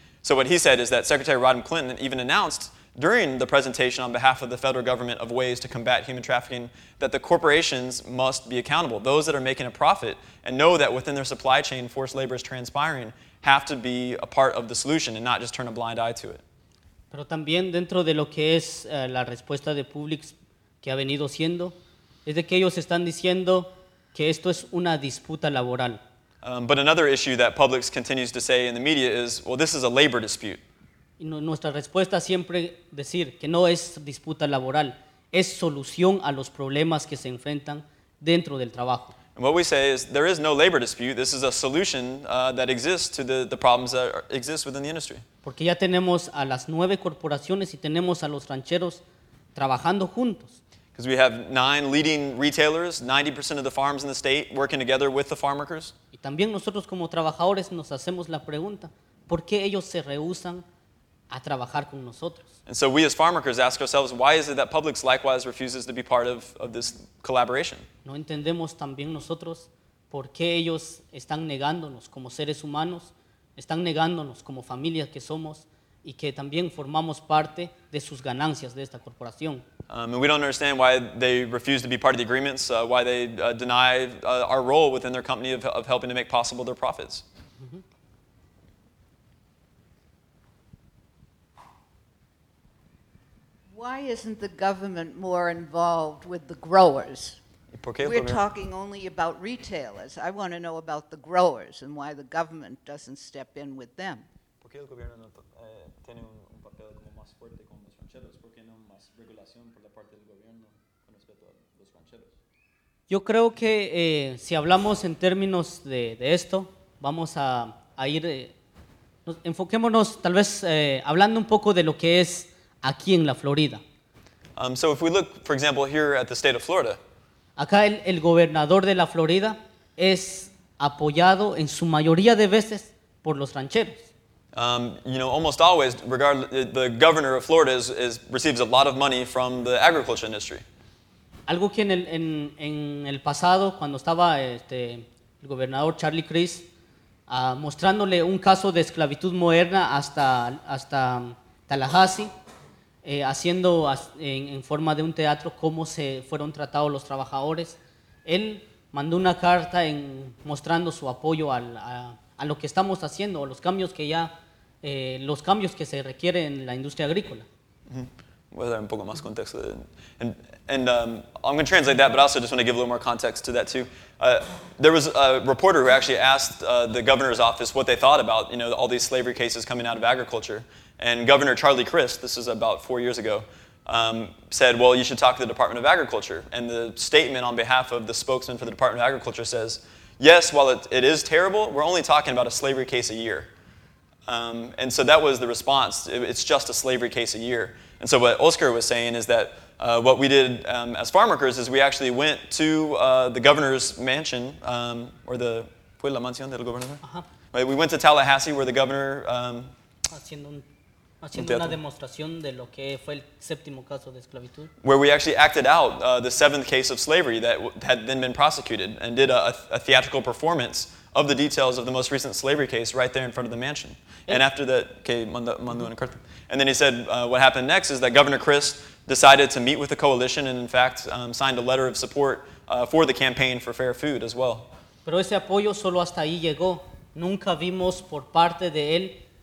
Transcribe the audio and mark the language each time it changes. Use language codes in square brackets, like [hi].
[en] So what he said is that Secretary Rodham Clinton even announced during the presentation on behalf of the federal government of ways to combat human trafficking that the corporations must be accountable. Those that are making a profit and know that within their supply chain forced labor is transpiring have to be a part of the solution and not just turn a blind eye to it. [es] Pero también dentro de lo que es la respuesta de Publix que ha venido siendo es de que ellos están diciendo que esto es una disputa laboral. [en] But another issue that Publix continues to say in the media is, well, this is a labor dispute. [es] Y nuestra respuesta siempre decir que no es disputa laboral, es solución a los problemas que se enfrentan dentro del trabajo. [en] And what we say is, there is no labor dispute, this is a solution that exists to the problems that exist within the industry. [es] Porque ya tenemos a las 9 corporaciones y tenemos a los rancheros trabajando juntos. [en] Because we have 9 leading retailers, 90% of the farms in the state working together with the farm workers. [es] Y también nosotros como trabajadores nos hacemos la pregunta, ¿por qué ellos se rehúsan a trabajar con nosotros? [en] And so we as farm workers ask ourselves, why is it that Publix likewise refuses to be part of this collaboration? [es] No entendemos también nosotros por qué ellos están negándonos como seres humanos, están negándonos como familias que somos y que también formamos parte de sus ganancias de esta corporación. [en] And we don't understand why they refuse to be part of the agreements, why they deny our role within their company of helping to make possible their profits. Why isn't the government more involved with the growers? We're talking only about retailers. I want to know about the growers and why the government doesn't step in with them. [es] ¿Por qué el gobierno no tiene un papel como más fuerte con los rancheros? ¿Por qué no más regulación por la parte del gobierno con respecto a los rancheros? Yo creo que si hablamos en términos de esto, vamos a ir, enfoquémonos tal vez hablando un poco de lo que es aquí en la Florida. [en] So if we look, for example, here at the state of Florida. [es] Acá el gobernador de la Florida es apoyado en su mayoría de veces por los rancheros. [en] You know, almost always, the governor of Florida receives a lot of money from the agriculture industry. [es] Algo que en el pasado, cuando estaba el gobernador Charlie Crist, mostrándole un caso de esclavitud moderna hasta Tallahassee, haciendo en forma de un teatro cómo se fueron tratados los trabajadores, él mandó una carta mostrando su apoyo a lo que estamos haciendo, a los cambios que ya, los cambios que se requieren en la industria agrícola. Voy a dar un poco más contexto. [en] I'm going to translate that, but I also just want to give a little more context to that too. There was a reporter who actually asked the governor's office what they thought about, you know, all these slavery cases coming out of agriculture. And Governor Charlie Crist, this is about 4 years ago, said, well, you should talk to the Department of Agriculture. And the statement on behalf of the spokesman for the Department of Agriculture says, yes, while it is terrible, we're only talking about a slavery case a year. And so that was the response. It's just a slavery case a year. And so what Oscar was saying is that what we did as farm workers is we actually went to the governor's mansion, or the [es] Puebla Mansión del Gobernador. [en] Uh-huh. We went to Tallahassee where the governor... [es] haciendo una demostración de lo que fue el séptimo caso de esclavitud. [en] Where we actually acted out the seventh case of slavery that had then been prosecuted and did a theatrical performance of the details of the most recent slavery case right there in front of the mansion. Yeah. And after that, and then he said what happened next is that Governor Crist decided to meet with the coalition and in fact signed a letter of support for the campaign for fair food as well. [es] Pero ese apoyo solo hasta ahí llegó. Nunca vimos por parte de él